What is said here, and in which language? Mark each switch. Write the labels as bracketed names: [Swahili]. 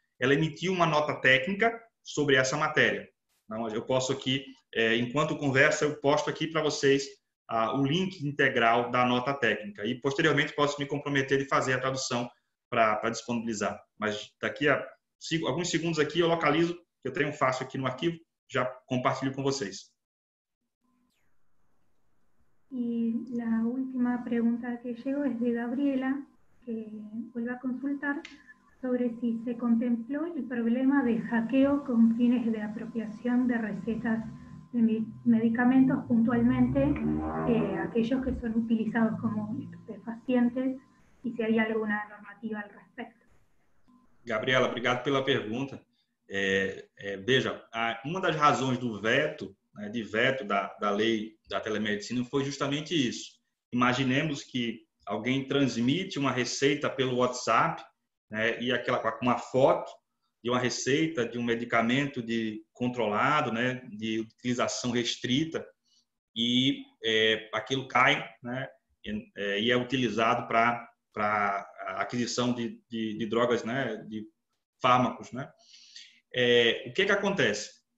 [Portuguese] Ela emitiu uma nota técnica sobre essa matéria. Então, eu posso aqui, enquanto conversa, eu posto aqui para vocês o link integral da nota técnica. E, posteriormente, posso me comprometer de fazer a tradução para disponibilizar. Mas daqui a alguns segundos aqui eu localizo, que eu tenho fácil aqui no arquivo, já compartilho com vocês. [Spanish] Y la última pregunta que llegó es de Gabriela, que vuelve a consultar sobre si se contempló el problema de hackeo con fines de apropiación de recetas de medicamentos, puntualmente aquellos que son utilizados como estupefacientes, y si hay alguna normativa al respecto. [Portuguese] Gabriela, obrigado pela pergunta. Veja, uma das razões do veto, né, de veto da lei da telemedicina foi justamente isso. Imaginemos que alguém transmite uma receita pelo WhatsApp, né, e aquela com uma foto de uma receita de um medicamento de controlado, né, de utilização restrita, e aquilo cai, né, e é utilizado para aquisição de drogas, né, de fármacos, né? O que que acontece?